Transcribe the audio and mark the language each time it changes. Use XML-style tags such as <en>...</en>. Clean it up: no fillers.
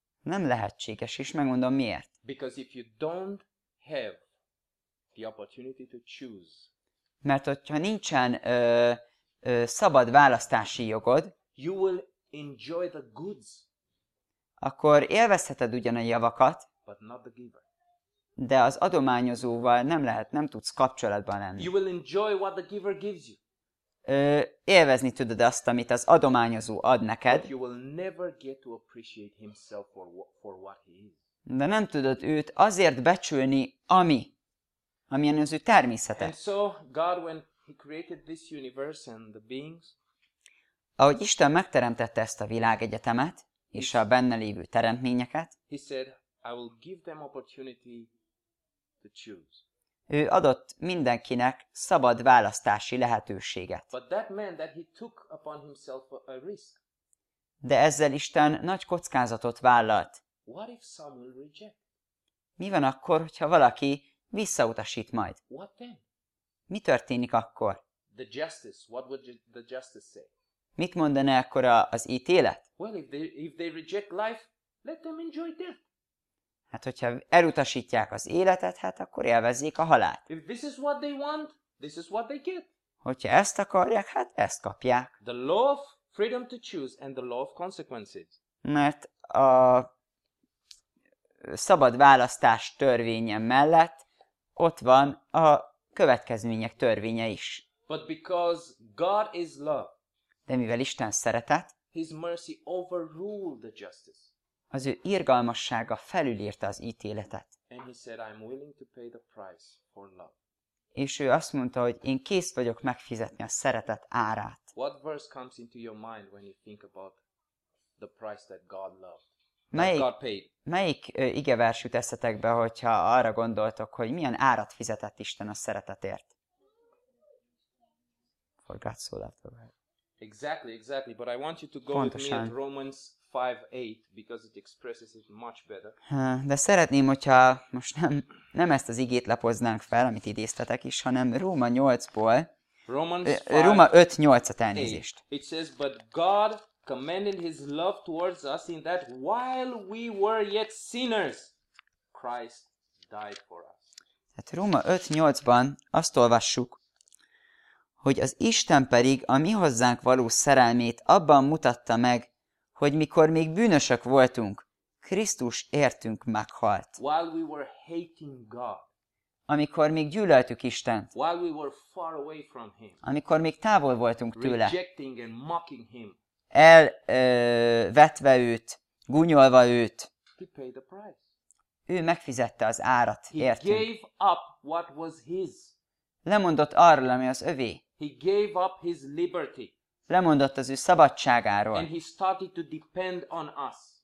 <hu>Nem lehetséges, és megmondom miért.</hu> <en>Because if you don't have the opportunity to choose,</en> <hu>mert hogyha nincsen szabad választási jogod,</hu> <en>you will enjoy the goods,</en> <hu>akkor élvezheted ugyan a javakat,</hu> <en>but not the giver.</en> <hu>De az adományozóval nem tudsz kapcsolatban lenni.</hu> <en>You will enjoy what the giver gives you.</en> <hu>Élvezni tudod azt, amit az adományozó ad neked,</hu> <en>but you will never get to appreciate himself for what he is.</en> <hu>De nem tudod őt azért becsülni, amilyen az ő természete.</hu> <en>And so God, when he created this universe and the beings,</en> <hu>ahogy Isten megteremtette ezt a világegyetemet és a benne lévő teremtményeket,</hu> <en>he said, I will give them opportunity to choose.</en> <hu>Ő adott mindenkinek szabad választási lehetőséget.</hu> <en>But that meant that he took upon himself a risk.</en> <hu>De ezzel Isten nagy kockázatot vállalt.</hu> <en>What if some will reject?</en> <hu>Mi van akkor, hogyha valaki visszautasít majd?</hu> <en>What then?</en> <hu>Mi történik akkor?</hu> <en>The justice, what would the justice say?</en> <hu>Mit mondaná akkor az ítélet?</hu> <en>Well, if they reject life, let them enjoy death.</en> <hu>Hát, hogyha elutasítják az életet, hát akkor élvezzék a halált.</hu> <en>If this is what they want, this is what they get.</en> <hu>Hogyha ezt akarják, hát ezt kapják.</hu> <en>The law of freedom to choose and the law of consequences.</en> <hu>Mert a szabad választás törvénye mellett ott van a következmények törvénye is.</hu> <en>But because God is love,</en> <hu>de mivel Isten szeretet,</hu> <en>his mercy overruled the justice.</en> <hu>Az ő irgalmassága felülírta az ítéletet.</hu> <en>And he said, I'm willing to pay the price for love.</en> <hu>És ő azt mondta, hogy én kész vagyok megfizetni a szeretet árát.</hu> <en>What verse comes into your mind when you think about the price that God loved?</en> <hu>Melyik igevers jut eszetekbe, hogyha arra gondoltok, hogy milyen árat fizetett Isten a szeretetért?</hu> <en>For God so loved the world. Exactly, but I want you to go with me at Romans 5:8, because it expresses it much better.</en> <hu>De szeretném, hogyha most nem ezt az igét lapoznánk fel, amit idéztetek is, hanem Róma 8-ból, Róma 5:8-at elnézést.</hu> <en>It says, but God commended his love towards us in that while we were yet sinners, Christ died for us.</en> <hu>Hát Róma 5.8-ban azt olvassuk, hogy az Isten pedig a mi hozzánk való szerelmét abban mutatta meg, hogy mikor még bűnösök voltunk, Krisztus értünk meghalt.</hu> <en>While we were hating God.</en> <hu>Amikor még gyűlöltük Istent.</hu> <en>While we were far away from him.</en> <hu>Amikor még távol voltunk tőle.</hu> <en>Rejecting and mocking him.</en> <hu>Elvetve őt, gúnyolva őt.</hu> <en>He paid the price.</en> <hu>Ő megfizette az árat, értünk.</hu> <en>He gave up what was his.</en> <hu>Lemondott arról, ami az övé.</hu> <en>He gave up his liberty.</en> <hu>Lemondott az ő szabadságáról.</hu> <en>And he started to depend on us.</en>